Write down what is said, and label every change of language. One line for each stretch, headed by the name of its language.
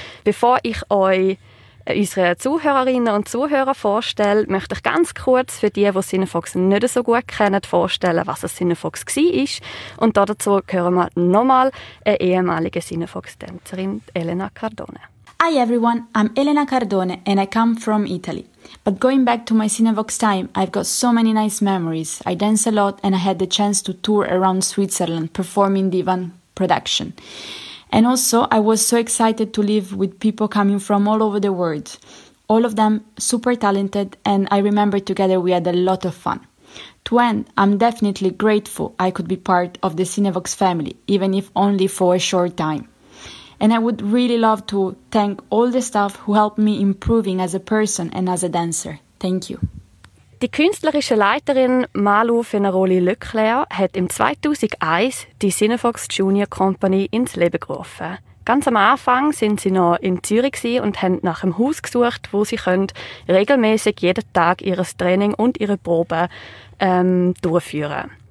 German: Bevor ich euch unsere Zuhörerinnen und Zuhörer vorstellen, möchte ich ganz kurz für die, die Cinevox nicht so gut kennen, vorstellen, was ein Cinevox war. Und dazu hören wir nochmal eine ehemalige Cinevox-Tänzerin, Elena Cardone.
English: Hi everyone, I'm Elena Cardone and I come from Italy. But going back to my Cinevox time, I've got so many nice memories. I dance a lot and I had the chance to tour around Switzerland performing the Ivan production. And also, I was so excited to live with people coming from all over the world. All of them super talented, and I remember together we had a lot of fun. To end, I'm definitely grateful I could be part of the Cinevox family, even if only for a short time. And I would really love to thank all the staff who helped me improving as a person and as a dancer. Thank you.
German: Die künstlerische Leiterin Malu Fenaroli-Löckler hat im 2001 die Cinevox Junior Company ins Leben gerufen. Ganz am Anfang sind sie noch in Zürich und haben nach einem Haus gesucht, wo sie können regelmäßig jeden Tag ihr Training und ihre Proben durchführen.